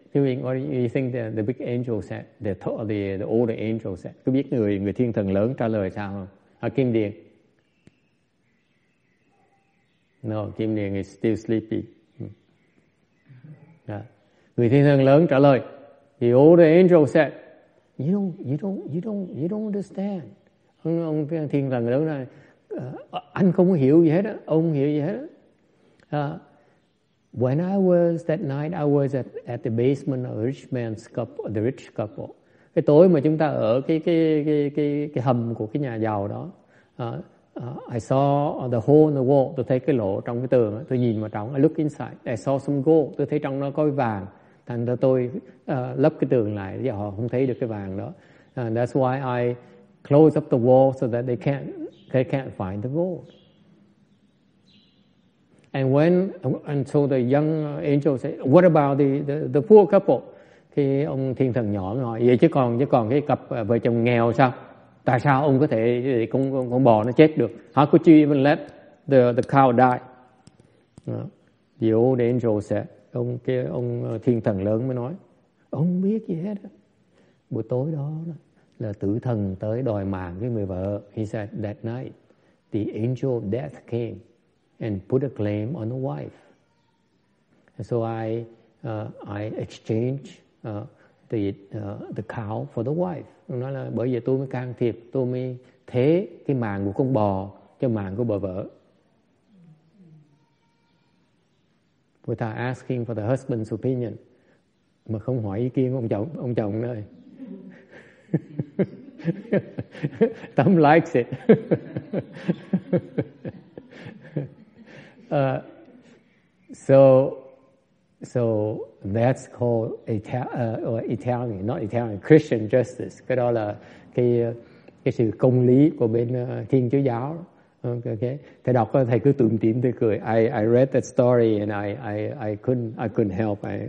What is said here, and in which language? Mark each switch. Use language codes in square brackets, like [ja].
[en] Doing what you think the big angel said, the older angel said. [vi] Có biết người thiên thần lớn trả lời sao không? Kim Điền. [en] No, Kim Điền is still sleepy. [vi] Người thiên thần lớn trả lời. [en] The older angel said, you don't understand. [vi] Ông thiên thần lớn này, anh không hiểu gì hết á, ông hiểu gì hết á. [en] When I was that night, I was at the basement of the rich couple. [vi] Cái tối mà chúng ta ở cái hầm của cái nhà giàu đó, [en] I saw the hole in the wall. [vi] Tôi thấy cái lỗ trong cái tường. Tôi nhìn vào trong. [en] I looked inside. I saw some gold. [vi] Tôi thấy trong nó có vàng. Thành ra tôi lấp cái tường lại, và họ không thấy được cái vàng đó. [en] And that's why I closed up the wall so that they can't find the gold. And so the young angel said, "What about the poor couple?" [vi] Thì ông thiên thần nhỏ nói, vậy chứ còn cái cặp vợ chồng nghèo sao? Tại sao ông có thể con bò nó chết được? [en] How could you even let the cow die? The old angel said, [vi] ông thiên thần lớn mới nói, ông biết gì hết. Buổi tối đó là tử thần tới đòi mạng với người vợ. [en] He said that night the angel of death came and put a claim on the wife. And so I exchanged the cow for the wife. [vi] Nó là bởi vì tôi mới can thiệp, tôi mới thế cái mạng của con bò cho mạng của bà vợ. [en] Without asking for the husband's opinion, [vi] mà không hỏi ý kiến của ông chồng ơi. [en] Tom likes it. So that's called Christian justice. [vi] Cái đó là cái sự công lý của bên Thiên Chúa giáo. Okay. Thầy đọc thầy cứ tủm tỉm tươi cười. [en] I read that story and I couldn't help.